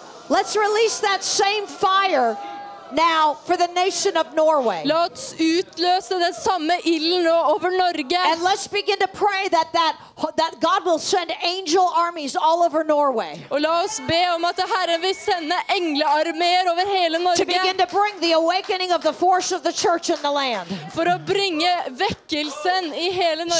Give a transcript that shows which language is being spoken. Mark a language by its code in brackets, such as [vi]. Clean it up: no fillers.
[en] Let's release that same fire now for the nation of Norway. [sv] Låt utlösa den samma ilden nu över Norge. [en] And let's begin to pray that that God will send angel armies all over Norway. [sv] Och låt oss be om att Herren vill sända änglaarméer över hela Norge. [en] To begin to bring the awakening of the force of the church in the land. [sv] För att bringa väckelsen I hela Norge.